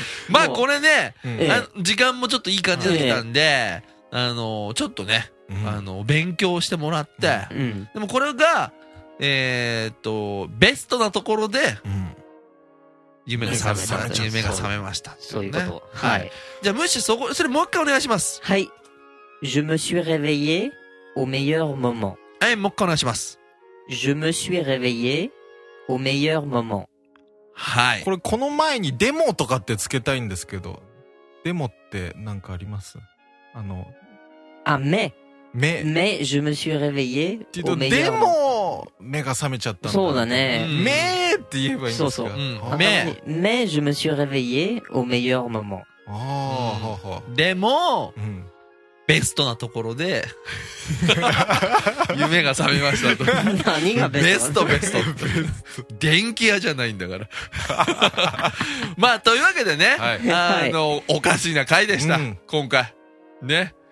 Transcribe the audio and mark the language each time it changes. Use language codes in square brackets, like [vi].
[ja] まあこれね、時間もちょっといい感じだったんで、ちょっとね、勉強してもらって、でもこれが、ベストなところで、夢が覚めました。そういうこと。はい。じゃあ、むしろそこ、それもう一回お願いします。はい。 [fr] Je me suis réveillé au meilleur moment。 [ja] はい、もう一回お願いします。 [fr] Je me suis réveillé au meilleur moment。 [ja] はい。これ、この前にデモとかってつけたいんですけど、デモってなんかあります？あ、目。目。 [fr] 目、je me suis réveillé. [ja] でも、目が覚めちゃったんだ。そうだね。目って言えばいいんですか？そうそう。目。 [fr] 目、je me suis réveillé au meilleur moment. [ja] でも、ベストなところで、夢が覚めましたと。何がベスト？ベスト、ベスト。電気屋じゃないんだから。まあ、というわけでね、おかしな回でした。今回。ね。